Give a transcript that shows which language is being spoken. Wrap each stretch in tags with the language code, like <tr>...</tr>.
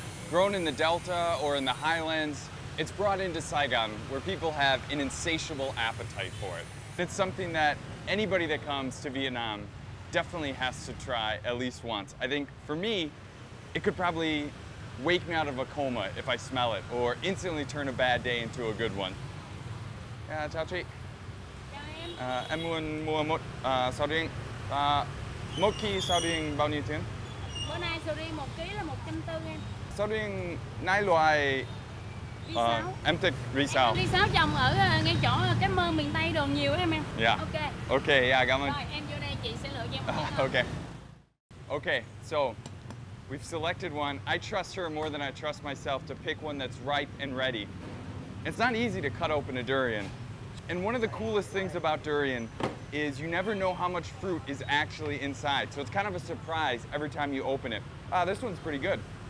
<en>Grown in the Delta or in the highlands, it's brought into Saigon where people have an insatiable appetite for it. It's something that anybody that comes to Vietnam definitely has to try at least once. I think for me, it could probably wake me out of a coma if I smell it or instantly turn a bad day into a good one.</en> <vi>Yeah, chào chị. Em muốn mua một sầu riêng. Một ký sầu riêng bao nhiêu tiền? Bữa nay sầu riêng một ký là 140 em. Sầu riêng nay loại em thích ri sao? Ri sao trồng ở ngay chỗ cái mơ miền Tây đồ nhiều em.</vi> <en>Yeah. Okay. Okay, yeah,</en> <vi>cảm ơn. Rồi, em vô đây chị sẽ lựa cho em một cái.</vi> <en>Okay, so we've selected one. I trust her more than I trust myself to pick one that's ripe and ready. It's not easy to cut open a durian. And one of the coolest things about durian is you never know how much fruit is actually inside. So it's kind of a surprise every time you open it. Ah, this one's pretty good.</en>